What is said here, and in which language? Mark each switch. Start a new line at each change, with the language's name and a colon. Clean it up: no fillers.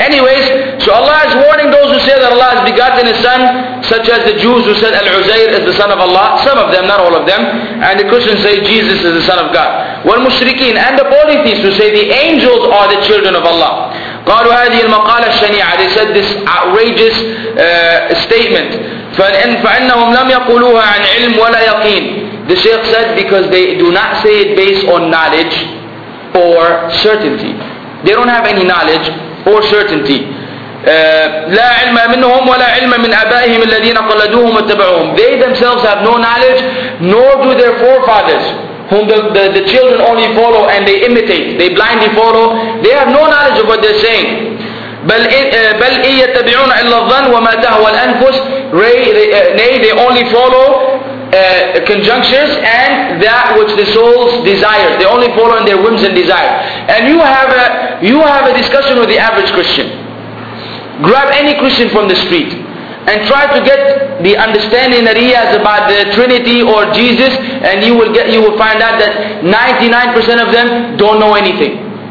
English: Anyways, so Allah is warning those who say that Allah has begotten a son, such as the Jews who said Al-Uzair is the son of Allah, some of them, not all of them, and the Christians say Jesus is the son of God. Well, mushrikeen and the polytheists who say the angels are the children of Allah,
Arabic: قالوا هذه المقالة الشنيعة,
English: they said this outrageous statement.
Arabic: فإنهم لم يقولوها عن علم ولا يقين.
English: The Shaykh said because they do not say it based on knowledge or certainty. They don't have any knowledge or certainty.
Arabic: لا علم منهم ولا علم من أبائهم الذين قلدوهم واتبعوهم.
English: They themselves have no knowledge, nor do their forefathers, whom the children only follow and they imitate, they blindly follow. They have no knowledge of what they're saying.
Arabic: بل إن يتبعون إلا الظن وما تهوى الأنفس.
English: Nay, they only follow conjunctures and that which the souls desire. They only follow in their whims and desires. And you have a discussion with the average Christian. Grab any Christian from the street and try to get the understanding that he has about the Trinity or Jesus, and you will find out that 99% of them don't know anything.